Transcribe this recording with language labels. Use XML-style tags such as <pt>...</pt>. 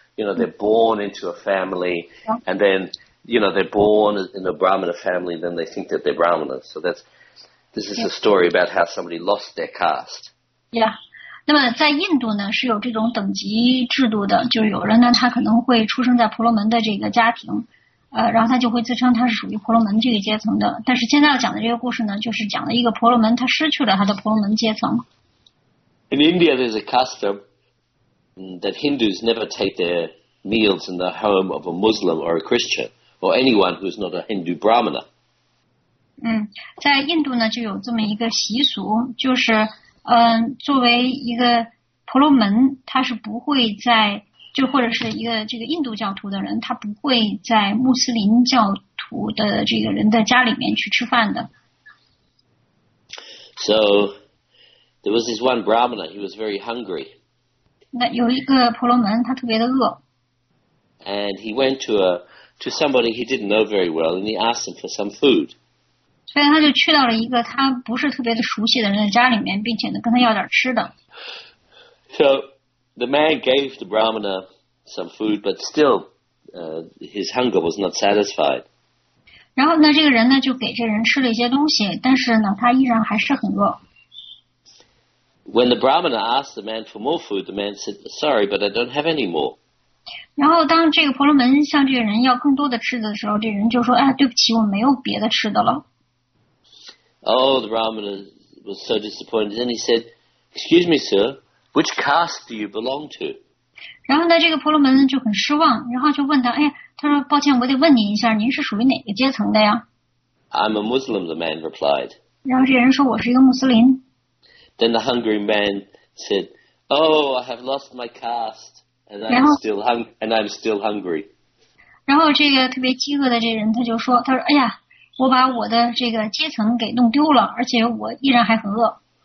<en>You know, they're born into a family and then, you know, they're born in a Brahmana family, then they think that they're Brahmanas. So that's,This is a story about how somebody lost their caste. Yeah.</en> <zh>那么在印度呢是有这种等级制度的，就是有人呢他可能会出生在婆罗门的这个家庭，然后他就会自称他是属于婆罗门这个阶层的。但是现在要讲的这个故事呢，就是讲了一个婆罗门他失去了他的婆罗门阶层。</zh> <en>In India, there's a custom that Hindus never take their meals in the home of a Muslim or a Christian or anyone who's not a Hindu Brahmana.</en> <zh>在印度呢就有这么一个习俗，就是作为一个婆罗门，他是不会在，就或者是一个这个印度教徒的人，他不会在穆斯林教徒的这个人的家里面去吃饭的。</zh> <en>So there was this one Brahmana, he was very hungry.</en> <zh>那有一个婆罗门他特别的饿。</zh> <en>And he went to somebody he didn't know very well and he asked him for some food.</en> <zh>所以他就去到了一个他不是特别的熟悉的人的家里面，并且呢跟他要点吃的。</zh> <en>So the man gave the Brahmana some food, but still, his hunger was not satisfied.</en> <zh>然后呢，这个人呢就给这人吃了一些东西，但是呢他依然还是很饿。</zh> <en>When the Brahmana asked the man for more food, the man said, "Sorry, but I don't have any more."</en> <zh>然后当这个婆罗门向这个人要更多的吃的时候，这人就说：“哎，对不起，我没有别的吃的了。”</zh> <en>Oh, the Brahmana was so disappointed. Then he said, "Excuse me, sir, which caste do you belong to?"</en> <zh>然后呢，这个婆罗门就很失望，然后就问他，哎，他说，抱歉，我得问您一下，您是属于哪个阶层的呀？</zh> <en>"I'm a Muslim," the man replied.</en> <zh>然后这人说，我是一个穆斯林。</zh> <en>Then the hungry man said, "Oh, I have lost my caste, and I'm still hungry."</en> <zh>然后这个特别饥饿的这人他就说，他说，哎呀。我把我的这个阶层给弄丢了，而且我依然还很饿。</zh>